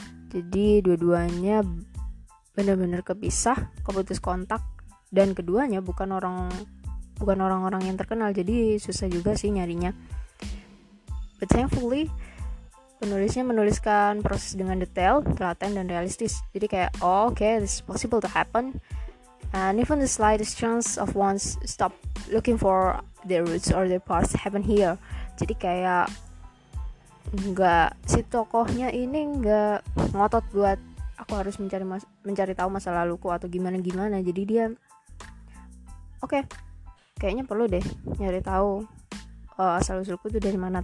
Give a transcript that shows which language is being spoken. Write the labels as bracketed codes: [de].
[id] Jadi dua-duanya benar-benar kepisah, keputus kontak, dan keduanya bukan orang-orang yang terkenal, jadi susah juga sih nyarinya. [en] But thankfully, [id] penulisnya menuliskan proses dengan detail, telaten, dan realistis. Jadi kayak, [en] oh, okay, this is possible to happen. And even the slightest chance of one's stop looking for their roots or their past happen here. [id] Jadi kayak, enggak, si tokohnya ini enggak ngotot buat aku harus mencari tahu masa laluku atau gimana-gimana. Jadi dia, okay, kayaknya perlu deh nyari tahu asal-usulku itu dari mana.